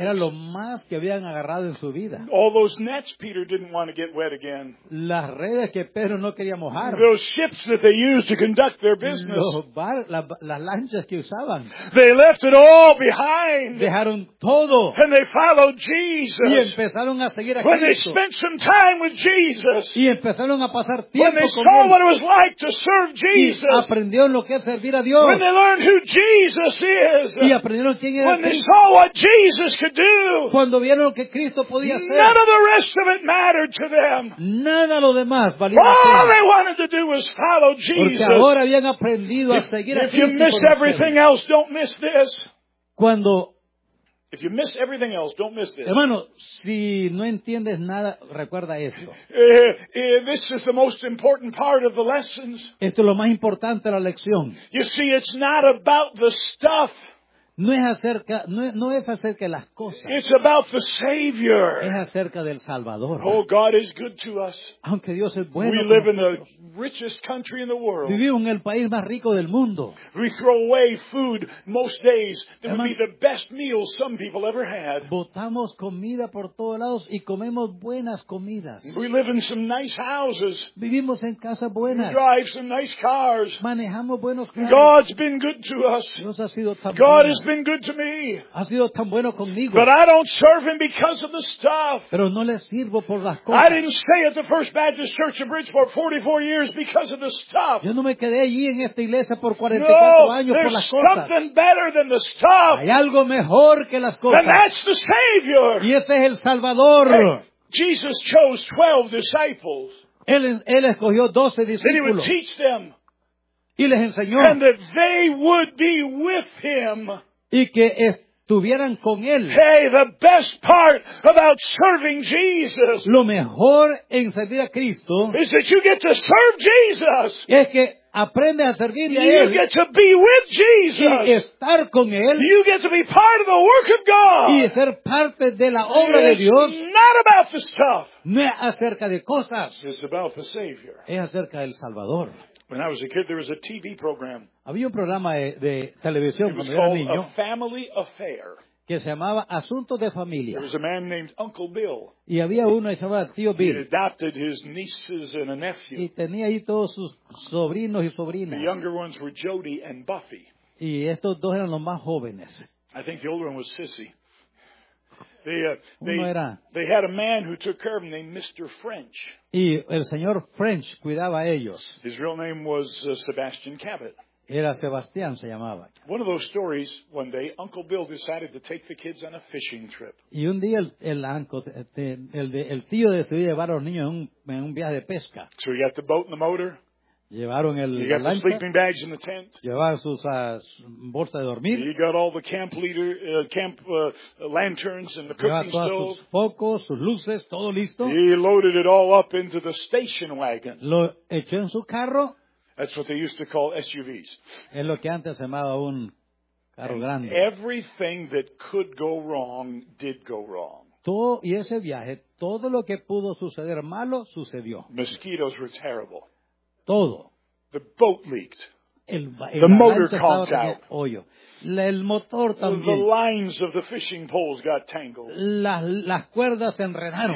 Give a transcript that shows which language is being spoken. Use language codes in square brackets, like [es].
[es] Era lo más que habían agarrado en su vida. [en] All those nets Peter didn't want to get wet again. [es] Las redes que Pedro no quería mojar. [en] Those ships that they used to conduct their business. [es] Las lanchas que usaban. [en] They left it all behind. [es] Dejaron todo. [en] And they followed Jesus. [es] Y empezaron a seguir a Cristo. [en] When they spent some time with Jesus. [es] Y empezaron a pasar tiempo con él. [en] When they saw what it was like to serve Jesus. [es] Y aprendieron lo que es servir a Dios. [en] When they learned who Jesus is. [es] Y aprendieron quién era Cristo. [en] They saw what Jesus could do. [es] Cuando vieron lo que Cristo podía hacer. [en] None of the rest of it mattered to them. [es] Nada lo demás valía. [en] All they wanted to do was follow Jesus. [es] Porque ahora habían aprendido a seguir a Cristo. [en] If you miss everything else, don't miss this. [es] Cuando [en] if you miss everything else, don't miss this. [es] Hermano, si no entiendes nada, recuerda esto. [en] This is the most important part of the lessons. [es] Esto es lo más importante de la lección. [en] You see, it's not about the stuff. [es] No es acerca de las cosas. [en] It's about the Savior. [es] Es acerca del Salvador. [en] Oh, God is good to us. [es] Aunque Dios es bueno. [en] We live in the richest country in the world. [es] Vivimos en el país más rico del mundo. [en] We throw away food most days that would be the best meal some people ever had. [es] Botamos comida por todos lados y comemos buenas comidas. [en] We live in some nice houses. [es] Vivimos en casas buenas. [en] We drive some nice cars. [es] Manejamos buenos carros. [en] God's been good to us. [es] Dios ha sido tan [en] God [es] bueno. [en] Has been good to me. [es] Ha sido tan bueno conmigo. [en] But I don't serve him because of the stuff. [es] Pero no le sirvo por las cosas. [en] I didn't stay at the First Baptist Church of Bridgeport 44 years because of the stuff. [es] Yo no me quedé allí en esta iglesia por 44 años por las cosas. [en] There's something better than the stuff. [es] Hay algo mejor que las cosas. [en] And that's the Savior. [es] Y ese es el Salvador. [en] Hey, Jesus chose 12 disciples. [es] Él escogió 12 discípulos. [en] Then he would teach them. [es] Y les enseñó. [en] And that they would be with him. [es] Y que estuvieran con él. [en] Hey, the best part about serving Jesus. [es] Lo mejor en servir a Cristo. [en] Is that you get to serve Jesus. [es] Es que aprende a servirle a él. [en] You get to be with Jesus. [es] Y estar con él. [en] You get to be part of the work of God. [es] Y ser parte de la obra de Dios. [en] Not about the stuff. [es] No es acerca de cosas. [en] It's about the Savior. [es] Es acerca del Salvador. [en] When I was a kid, there was a TV program. [es] Había un programa de televisión cuando era niño. [en] It was called A Family Affair. [es] Que se llamaba Asuntos de Familia. [en] There was a man named Uncle Bill. [es] Y había uno que se llamaba Tío Bill. [en] He adopted his nieces and a nephew. [es] Y tenía ahí todos sus sobrinos y sobrinas. [en] The younger ones were Jody and Buffy. [es] Y estos dos eran los más jóvenes. [en] I think the older one was Sissy. They had a man who took care of them named Mr. French. [es] Y el señor French cuidaba a ellos. [en] His real name was Sebastian Cabot. [es] Era Sebastián, se llamaba. [en] One of those stories, one day, Uncle Bill decided to take the kids on a fishing trip. [es] Y un día el tío decidió llevar a los niños en un viaje de pesca. [en] So you got the boat and the motor. [es] Llevaron el lancha. [en] You got the sleeping bags in the tent. [es] Llevaron sus bolsas de dormir. [en] You got all the camp leader, lanterns and the cooking stove. [es] Llevaron sus focos, sus luces, todo listo. [en] He loaded it all up into the station wagon. [es] Lo echó en su carro. [en] That's what they used to call SUVs. [es] Es lo que antes llamaba un carro grande. [en] Everything that could go wrong did go wrong. [es] Todo, y ese viaje, todo lo que pudo suceder malo sucedió. [en] Mosquitoes were terrible. [es] Todo. [en] The boat leaked. The motor conked out. [es] Hoyo. El motor también. [en] The lines of the fishing poles got tangled. [es] Las cuerdas se enredaron.